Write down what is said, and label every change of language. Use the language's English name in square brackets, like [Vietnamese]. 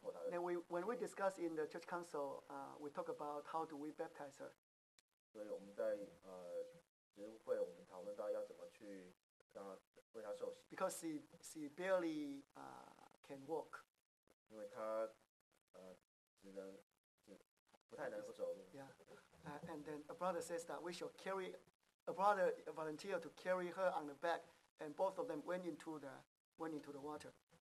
[English] Then we, when we discuss in the church council, we talk about how do we baptize her. [Chinese] 所以我们在职务会，我们讨论到要怎么去让她为她受洗。 [English] Because she barely can walk. [Chinese] 因为她只能不太能够走路。 [English] Yeah, and then a brother says that we shall carry a brother a volunteer to carry her on the back, and both of them went into the water.